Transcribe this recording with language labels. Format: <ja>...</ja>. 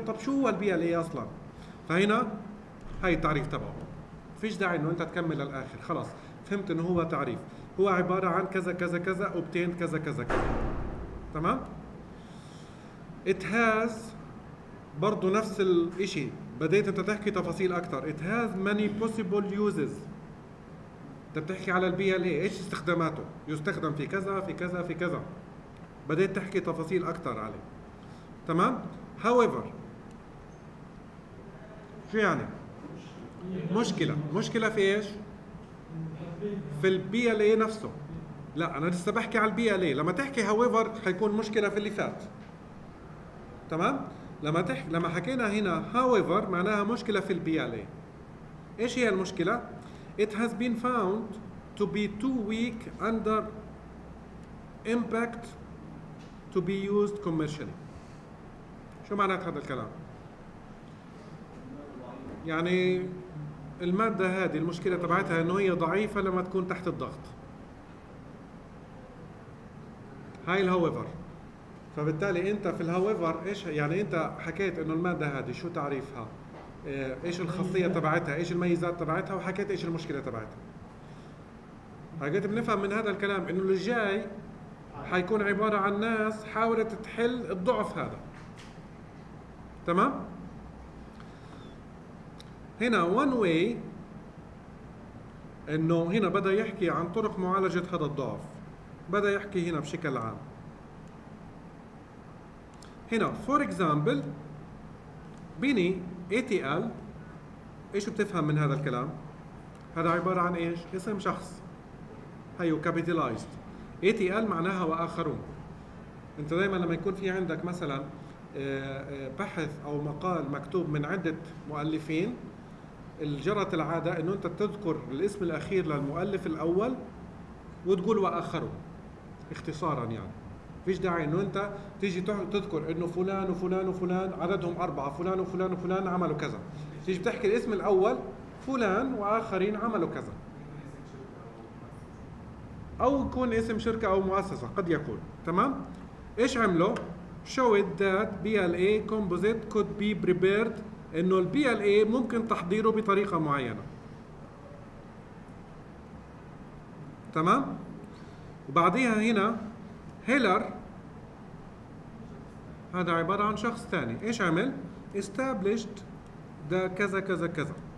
<ar>طب شو هو الـ PLA أصلاً؟ فهنا هاي التعريف تبعه. فيش داعي إنه أنت تكمل للآخر. خلاص فهمت إنه هو تعريف. هو عبارة عن كذا كذا كذا obtained كذا كذا كذا. تمام؟</ar> <en>It has</en> <ar>برضو نفس الإشي. بديت أنت تحكي تفاصيل أكثر.</ar> <en>It has many possible uses.</en> <ar>أنت بتحكي على الـ BLA. إيش استخداماته؟ يستخدم في كذا في كذا في كذا. بديت تحكي تفاصيل أكثر عليه. تمام؟ However شو يعني؟ مشكلة. مشكلة في إيش؟ في الـ BLA نفسه. لا أنا لسه بحكي على الـ BLA. لما تحكي however حيكون مشكلة في اللي فات. تمام؟ لما حكينا هنا however معناها مشكلة في الـ BLA. إيش هي المشكلة؟</ar> <en>It has been found to be too weak under impact to be used commercially.</en> <ar>شو معنى هذا الكلام؟ يعني المادة هذه المشكلة تبعتها إنه هي ضعيفة لما تكون تحت الضغط. هاي الهوفر. فبالتالي أنت في الهوفر إيش يعني أنت حكيت إنه المادة هذه شو تعريفها؟ إيش الخاصية تبعتها؟ إيش الميزات تبعتها؟ وحكيت إيش المشكلة تبعتها؟ حكيت بنفهم من هذا الكلام إنه اللي جاي حيكون عبارة عن ناس حاولت تحل الضعف هذا. تمام؟ هنا</ar> <en>one way</en> <ar>إنه هنا بدأ يحكي عن طرق معالجة هذا الضعف. بدأ يحكي هنا بشكل عام. هنا</ar> <en>for example</en> <ar>بني ATL. إيش بتفهم من هذا الكلام؟ هذا عبارة عن إيش؟ اسم شخص. هيو capitalized. ATL معناها وآخرون. أنت دائما لما يكون في عندك مثلا بحث أو مقال مكتوب من عدة مؤلفين الجرت العادة إنه أنت تذكر الاسم الأخير للمؤلف الأول وتقول وآخره اختصاراً. يعني فيش داعي إنه أنت تيجي تذكر إنه فلان وفلان وفلان عددهم أربعة فلان وفلان وفلان عملوا كذا. تيجي بتحكي الاسم الأول فلان وآخرين عملوا كذا أو يكون اسم شركة أو مؤسسة. قد يكون. تمام؟ إيش عملوا؟</ar> <en>Show it that BLA composite could be prepared.</en> <ar>إنه الـ BLA ممكن تحضيره بطريقة معينة. تمام؟ وبعديها هنا هيلر هذا عبارة عن شخص ثاني. إيش عمل؟ Established ده كذا كذا كذا.</ar>